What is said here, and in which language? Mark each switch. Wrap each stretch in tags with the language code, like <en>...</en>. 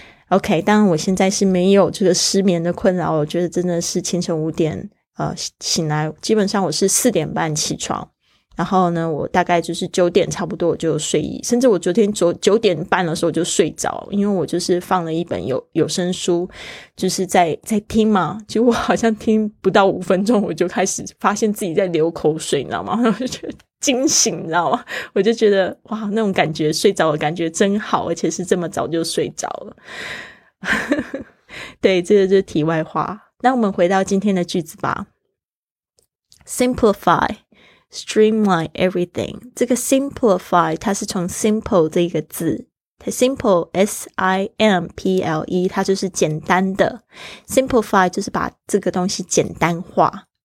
<zh>OK， 当然我现在是没有这个失眠的困扰，我觉得真的是清晨五点醒来，基本上我是四点半起床，然后呢，我大概就是九点差不多我就睡意，甚至我昨天九点半的时候我就睡着，因为我就是放了一本有声书，就是在听嘛，结果好像听不到五分钟，我就开始发现自己在流口水，你知道吗？然后我就觉得惊醒，你知道吗？我就觉得哇，那种感觉睡着的感觉真好，而且是这么早就睡着了。对，这个就是题外话。那我们回到今天的句子吧。</zh> <en>Simplify, streamline everything.</en> <zh>这个 simplify 它是从 simple 这个字，它 simple S-I-M-P-L-E， 它就是简单的。 Simplify 就是把这个东西简单化。</zh>